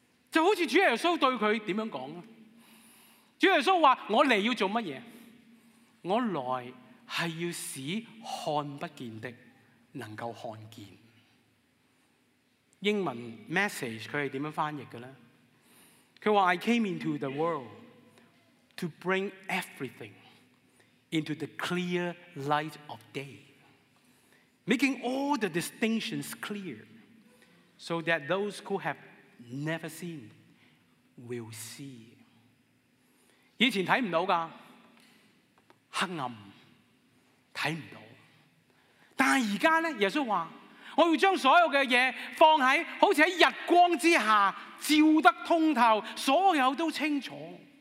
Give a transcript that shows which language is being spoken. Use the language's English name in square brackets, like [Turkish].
[Chinese] 就好像主耶稣对他怎样说，主耶稣说，我来要做什么？我来是要使看不见的能够看见。英文 message 他是怎样翻译的呢？ [English] 他说， I came into the world to bring everything into the clear light of day, making all the distinctions clear so that those who have never seen will see. [Chinese] 以前看不到的，黑暗看不到，但是现在呢，耶稣说，我要将所有的东西放在好像在日光之下，照得通透，所有都清楚。